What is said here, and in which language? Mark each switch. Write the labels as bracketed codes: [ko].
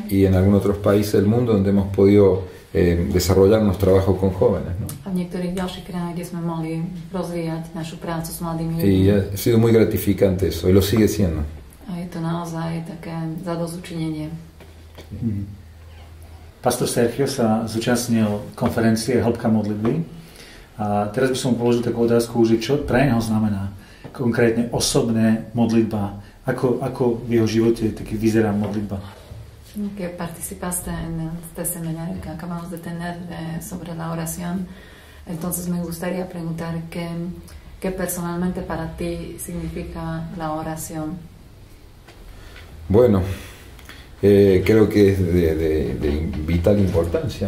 [es] Y en algún otros países del mundo donde hemos podido desarrollar nuestro trabajo con jóvenes, ¿no? [sk] A niektorých ďalších krajinách, kde sme mohli rozvíjať našu prácu s mladými ľuďmi. [es] Y ha sido muy gratificante eso, y lo sigue siendo. [sk] A je to naozaj také zadosťučinenie. Pastor Sergio sa zúčastnil konferencie Hĺbka modlitby. A teraz by som položil takú otázku, že čo pre neho znamená konkrétne osobné modlitba? Ako v jeho živote taký vyzerá modlitba? [es] Que participaste en este seminario que acabamos de tener sobre la oración, entonces me gustaría preguntar qué personalmente para ti significa la oración. Bueno, creo que es de vital importancia,